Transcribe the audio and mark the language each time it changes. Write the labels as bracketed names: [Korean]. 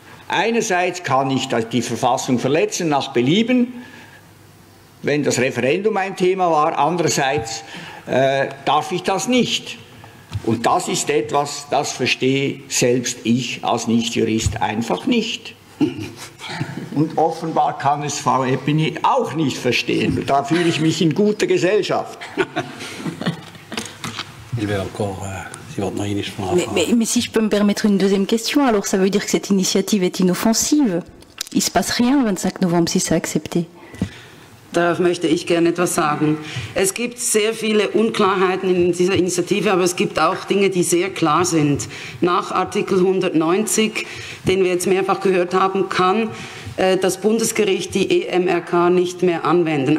[German] Einerseits kann ich die Verfassung verletzen nach Belieben, wenn das Referendum ein Thema war, andererseits darf ich das nicht. Und das ist etwas, das verstehe selbst ich als Nichtjurist einfach nicht. Und offenbar kann es Frau Epini auch nicht verstehen. Da fühle ich mich in guter Gesellschaft. Ich werde noch. [French] Mais si je peux me permettre une deuxième question, alors ça veut dire que cette initiative est inoffensive. Il se passe rien le 25 novembre si c'est accepté. [German] Darauf möchte ich gerne etwas sagen. Es gibt sehr viele Unklarheiten in dieser Initiative, aber es gibt auch Dinge, die sehr klar sind. Nach Artikel 190, den wir jetzt mehrfach gehört haben, kann das Bundesgericht die EMRK nicht mehr anwenden.